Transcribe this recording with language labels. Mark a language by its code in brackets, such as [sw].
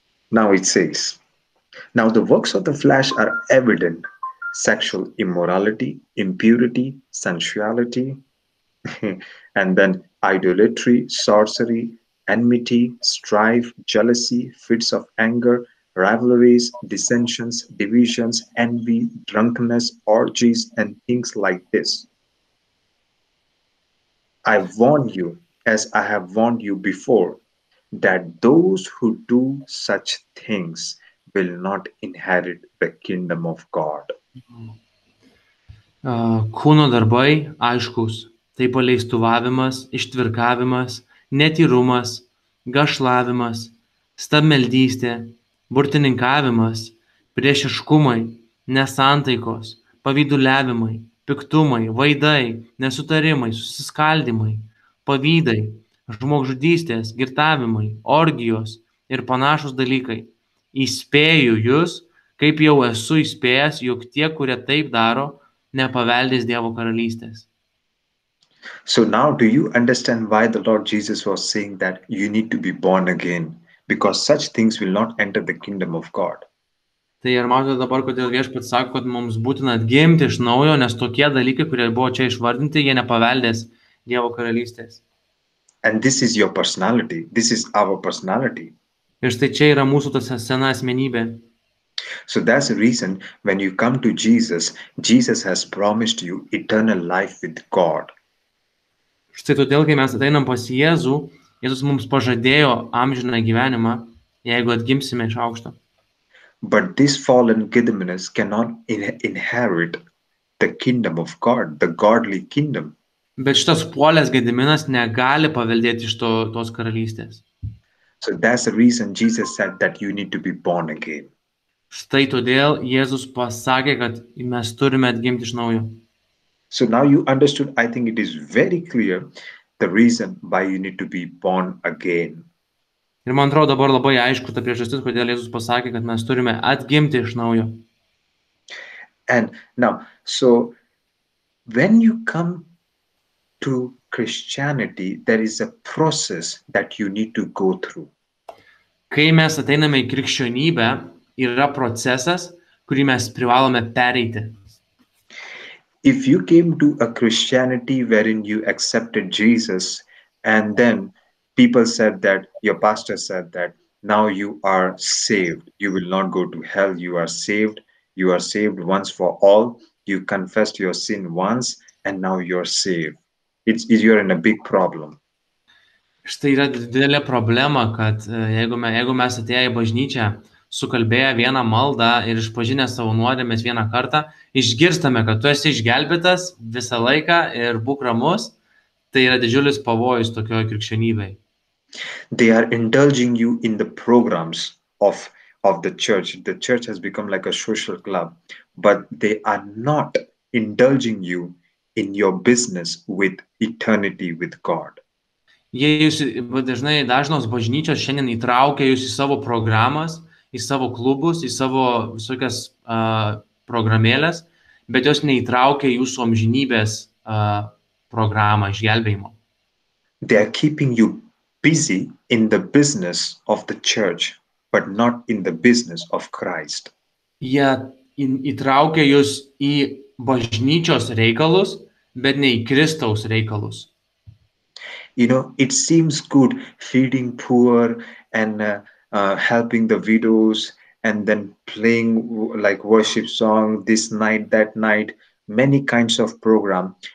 [en] Now it says, now the works of the flesh are evident, sexual immorality, impurity, sensuality, and then idolatry, sorcery, enmity, strife, jealousy, fits of anger, rivalries, dissensions, divisions, envy, drunkenness, orgies, and things like this. I warn you, as I have warned you before, that those who do such things will not inherit the kingdom of God. [lt] Kūno darbai aiškus. Tai paleistuvavimas, ištvirkavimas, netyrumas, gašlavimas, stabmeldystė, burtininkavimas, priešiškumai, nesantaikos, pavyduliavimai, piktumai, vaidai, nesutarimai, susiskaldimai, pavydai, žmogžudystės, girtavimai, orgijos ir panašus dalykai. Įspėju jūs, kaip jau esu įspėjęs, jog tie, kurie taip daro, nepaveldės Dievo karalystės. [en] So now do you understand why the Lord Jesus was saying that you need to be born again, because such things will not enter the kingdom of God? [lt] Tai ar matote dabar, kodėl Viešpats sako, kad mums būtina atgimti iš naujo, nes tokie dalykai, kurie buvo čia išvardinti, jie nepaveldės Dievo karalystės. [en] And this is your personality. This is our personality. [lt] Ir štai čia yra mūsų tas sena asmenybė. [en] So that's the reason when you come to Jesus, Jesus has promised you eternal life with God. [lt] Štai todėl, kai mes ateinam pas Jėzų, Jėzus mums pažadėjo amžiną gyvenimą, jeigu atgimsime iš aukšto. [en] But this fallen Gediminus cannot inherit the kingdom of God, the godly kingdom. [lt] Bet šitas puolės Gediminas negali paveldėti iš tos karalystės. [en] So that's the reason Jesus said that you need to be born again. [lt] Štai todėl Jėzus pasakė, kad mes turime atgimti iš naujo. [en] So now you understood, I think it is very clear, the reason why you need to be born again. [lt] Ir man atrodo dabar labai aišku ta priežastis, kodėl Jėzus pasakė, kad mes turime atgimti iš naujo. [en] And now, so when you come to Christianity, there is a process that you need to go through. [lt] Kai mes ateiname į krikščionybę, yra procesas, kurį mes privalome pereiti. [en] If you came to a Christianity wherein you accepted Jesus and then people said that, your pastor said that, now you are saved, you will not go to hell, you are saved once for all, you confessed your sin once and now you're saved. You are in a big problem. [lt] Štai yra didelė problema, kad jeigu mes atėję į bažnyčią, sukalbėję vieną maldą ir išpažinę savo nuodėmes vieną kartą, išgirstame, kad tu esi išgelbėtas visą laiką ir būk ramus, tai yra didžiulis pavojus tokioje krikščionybėje. [en] They are indulging you in the programs of the church. The church has become like a social club, but they are not indulging you in your business with eternity with God. [lt] Jie jūs dažnos bažnyčios šiandien įtraukia jūs į savo programas, į savo klubus, į savo visokias programėlės, bet jos neįtraukia jūsų amžinybės programą išgelbėjimo. [en] They are keeping you busy in the business of the church, but not in the business of Christ. [lt] Jie įtraukia jūs į bažnyčios reikalus, bet ne į Kristaus reikalus. [en] You know, it seems good feeding poor and helping the widows and then playing like worship song this night, that night, many kinds of program.